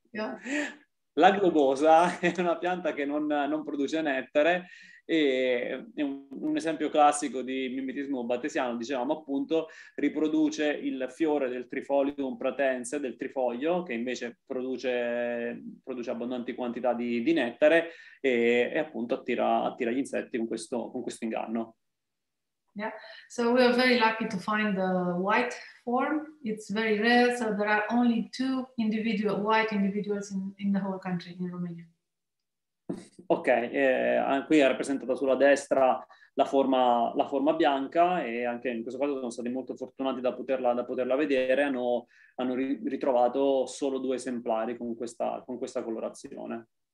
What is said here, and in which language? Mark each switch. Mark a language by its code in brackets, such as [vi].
[it] Ok, la globosa è una pianta che non produce nettare, e è un esempio classico di mimetismo batesiano, diciamo, appunto, riproduce il fiore del Trifolium pratense, del trifoglio, che invece produce abbondanti quantità di nettare, e appunto attira gli insetti con questo inganno. [en] Yeah, so we are very lucky to find the white form. It's very rare, so there are only two white individuals in the whole country, in Romania. [it] Ok, qui è rappresentata sulla destra la forma bianca, e anche in questo caso sono stati molto fortunati da poterla vedere. Hanno ritrovato solo due esemplari con questa colorazione.